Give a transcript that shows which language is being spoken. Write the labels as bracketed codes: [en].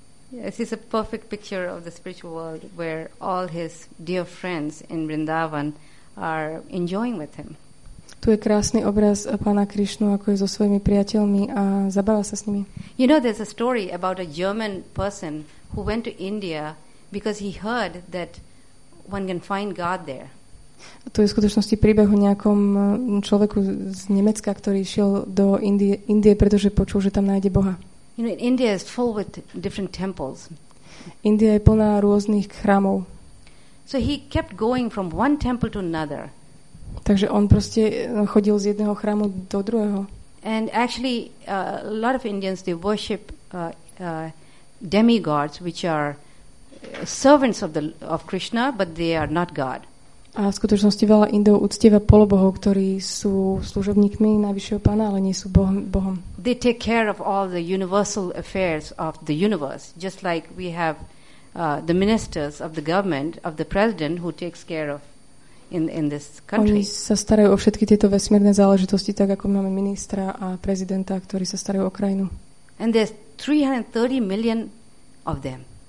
[en] Yes, it's a perfect picture of the spiritual world where all his dear friends in Vrindavan are enjoying with him. [sk] Tu je krásny obraz pána Krišnu, ako je so svojimi priateľmi a zabáva sa s nimi. [en] You know, there's a story about a German person who went to India because he heard that one can find God there. [sk] To je v skutočnosti príbeh o nejakom človeku z Nemecka, ktorý šiel do Indie, pretože počul, že tam nájde Boha. [en] You know, India is full with different temples. [sk] India je plná rôznych chrámov. [en] So he kept going from one temple to another. [sk] Takže on proste chodil z jedného chrámu do druhého. [en] And actually a lot of Indians they worship demigods, which are servants of Krishna, but they are not God. [sk] A v skutočnosti veľa Indov uctieva polobohov, ktorí sú služobníkmi najvyššieho pána, ale nie sú Bohom. [en] They take care of all the universal affairs of the universe, just like we have the ministers of the government, of the president, who takes care of in this country. [sk] Oni sa starajú o všetky tieto vesmírne záležitosti, tak ako máme ministra a prezidenta, ktorí sa starajú o krajinu. [en] And there's 330 million of them.